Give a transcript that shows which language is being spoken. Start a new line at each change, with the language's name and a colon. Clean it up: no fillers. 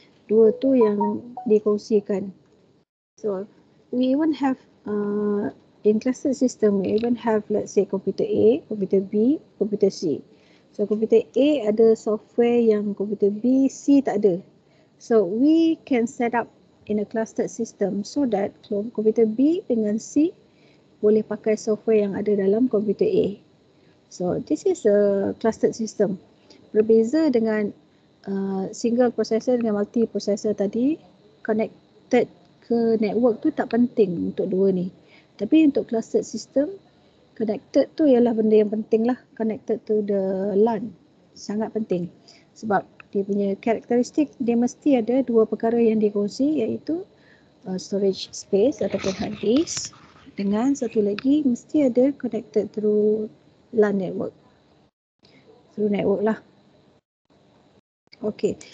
Malay: dua tu yang dikongsikan.
English: So we even have in cluster system, we even have let's say computer A, computer B, computer C.
Malay: So computer A ada software yang computer B, C tak ada.
English: So we can set up in a cluster system so that computer B
Malay: dengan C boleh pakai software yang ada dalam computer
English: A. So this is a cluster system.
Malay: Berbeza dengan single processor dengan multi processor tadi, connected ke network tu tak penting untuk dua ni. Tapi untuk cluster system, connected tu ialah benda yang penting lah.
English: Connected to the LAN
Malay: sangat penting. Sebab dia punya karakteristik, dia mesti ada dua perkara yang dikongsi, iaitu storage space ataupun hard disk, dengan satu lagi mesti ada
English: connected through LAN network. Through network
Malay: lah. Okay.